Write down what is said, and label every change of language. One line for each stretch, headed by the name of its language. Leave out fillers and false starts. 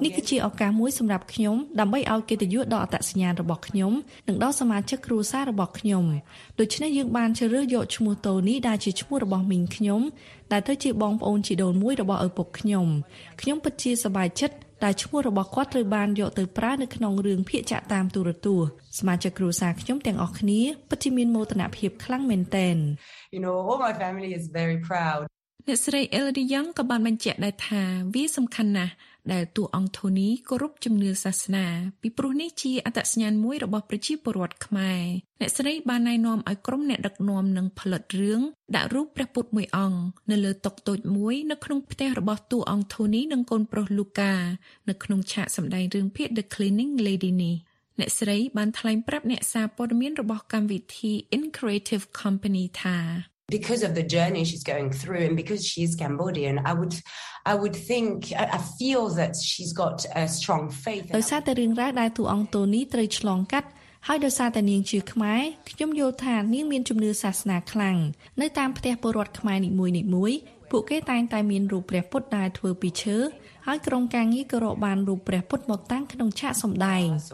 Khmer: នេះគឺជាឱកាសមួយសម្រាប់ខ្ញុំដើម្បីឲ្យកិត្តិយសដល់អត្តសញ្ញាណរបស់ខ្ញុំនិងដល់សមាជិកគ្រួសាររបស់ខ្ញុំដូច្នេះយើងបានជ្រើសរើសយកឈ្មោះតូនីដែលជាឈ្មោះរបស់មីងខ្ញុំដែលទៅជាបងប្អូនជីដូនមួយរបស់ឪពុកខ្ញុំខ្ញុំពិតជាសប្បាយចិត្តតែឈ្មោះរបស់គាត់ត្រូវបានយកទៅប្រើនៅក្នុងរឿងភាគចាក់តាមទូរទស្សន៍សមាជិកគ្រួសារខ្ញុំទាំងអស់គ្នាពិតជាមានមោទនភាពខ្លាំងមែនទែន
English: You know all my family is very proud
Khmer: អ្នកស្រី Elodie Young ក៏បានបញ្ជាក់ដែរថាវាសំខាន់ណាស់ដែលតួអង្គថូនីគោរពជំនឿសាសនាពីព្រោះនេះជាអត្តសញ្ញាណមួយរបស់ប្រជាពលរដ្ឋខ្មែរអ្នកស្រីបានណែនាំឲ្យក្រុមអ្នកដឹកនាំនិងផលិតរឿងដាក់រូបព្រះពុទ្ធមួយអង្គនៅលើតុតូចមួយនៅក្នុងផ្ទះរបស់តួអង្គថូនីនិងកូនប្រុសលូកានៅក្នុងឆាកសម្ដែងរឿងភាគ The Cleaning Lady នេះអ្នកស្រីបានថ្លែងប្រាប់អ្នកសារព័ត៌មានរបស់កម្មវិធី In Creative Company ថា
English: Because of the journey she's going through and because she is Cambodian I would think I feel that she's got a strong faith
Khmer: ដោយសារតែរឿងរ៉ាវដែលតួអង្គតូនីត្រូវឆ្លងកាត់ហើយដោយសារតែនាងជាខ្មែរខ្ញុំយល់ថានាងមានជំនឿសាសនាខ្លាំងនៅតាមផ្ទះពលរដ្ឋខ្មែរនីមួយៗ ពួកគេតែងតែមានរូបព្រះពុទ្ធដែលធ្វើពីឈើហើយក្រុមការងារក៏រកបានរូបព្រះពុទ្ធមកតាំងក្នុងឆាកសម្ដែង